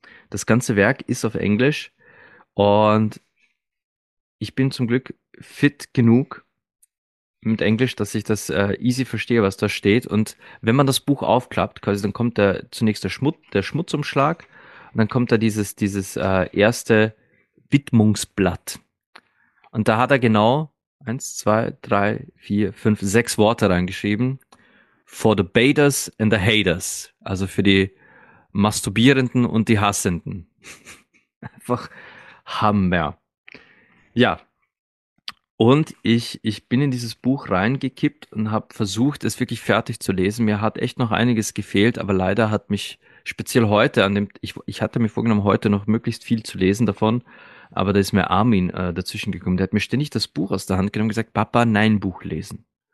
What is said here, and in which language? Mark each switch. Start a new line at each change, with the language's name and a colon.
German: Das ganze Werk ist auf Englisch und ich bin zum Glück fit genug mit Englisch, dass ich das easy verstehe, was da steht. Und wenn man das Buch aufklappt, quasi, dann kommt da zunächst der Schmutzumschlag und dann kommt da dieses erste Widmungsblatt. Und da hat er genau 1, 2, 3, 4, 5, 6 Worte reingeschrieben.
English: For the Baiters and the Haters.
German: Also für die Masturbierenden und die Hassenden. Einfach Hammer. Ja. Und ich bin in dieses Buch reingekippt und habe versucht, es wirklich fertig zu lesen. Mir hat echt noch einiges gefehlt, aber leider hat mich speziell heute ich hatte mir vorgenommen, heute noch möglichst viel zu lesen davon, aber da ist mir Armin dazwischen gekommen. Der hat mir ständig das Buch aus der Hand genommen und gesagt, Papa, nein, Buch lesen.